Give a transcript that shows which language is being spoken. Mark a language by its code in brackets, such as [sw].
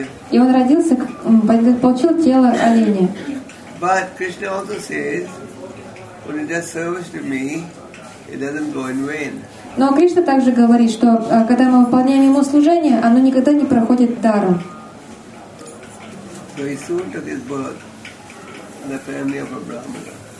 [ru] И он родился, получил тело оленя. [en] But Krishna also says, when it does service to me, it doesn't go in vain. [ru] Но Кришна также говорит, что когда мы выполняем Ему служение, оно никогда не проходит даром. [en] Very soon took his birth in the family of a Brahmana.